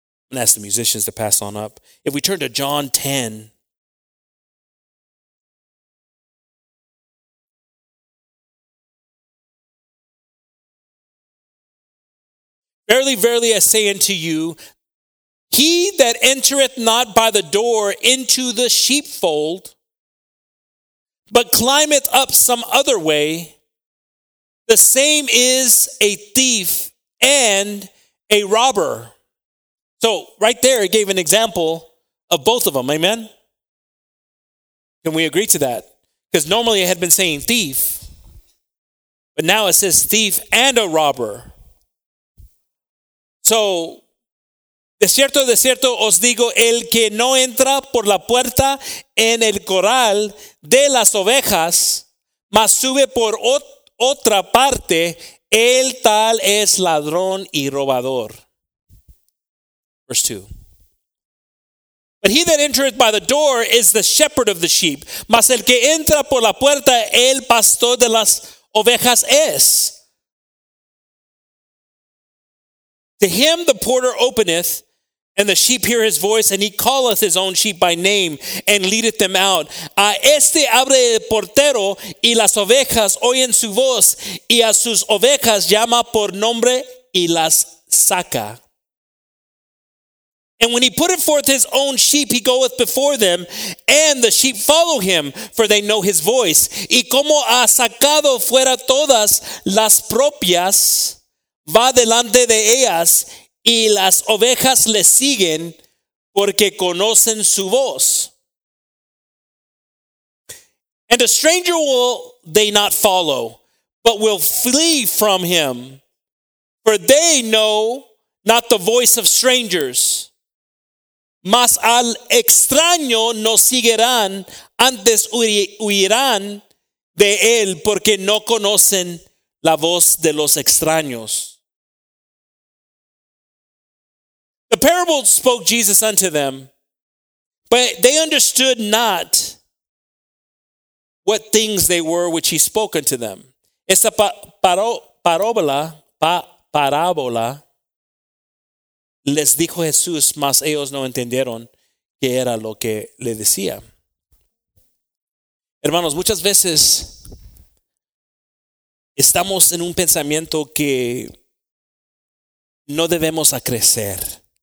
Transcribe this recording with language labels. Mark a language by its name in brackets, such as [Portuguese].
[English] I'm going to ask the musicians to pass on up. If we turn to John 10, verily, verily, I say unto you, he that entereth not by the door into the sheepfold, but climbeth up some other way, the same is a thief and a robber. So right there, it gave an example of both of them. Amen? Can we agree to that? Because normally it had been saying thief, but now it says thief and a robber. [Spanish] So, de cierto os digo, el que no entra por la puerta en el corral de las ovejas, mas sube por otra parte, el tal es ladrón y robador. [English] Verse 2. But he that entereth by the door is the shepherd of the sheep, [Spanish] mas el que entra por la puerta, el pastor de las ovejas es. [English] To him the porter openeth, and the sheep hear his voice, and he calleth his own sheep by name, and leadeth them out. [Spanish] A este abre el portero, y las ovejas oyen su voz, y a sus ovejas llama por nombre, y las saca. [English] And when he putteth forth his own sheep, he goeth before them, and the sheep follow him, for they know his voice. [Spanish] Y como ha sacado fuera todas las propias, va delante de ellas, y las ovejas le siguen porque conocen su voz. [English] And a stranger will they not follow, but will flee from him, for they know not the voice of strangers. [Spanish] Mas al extraño no seguirán, antes huirán de él porque no conocen la voz de los extraños. [English] The parable spoke Jesus unto them, but they understood not what things they were which he spoke unto them. [Spanish] Esta parábola les dijo Jesús, mas ellos no entendieron qué era lo que le decía. Hermanos, muchas veces estamos en un pensamiento que no debemos a crecer.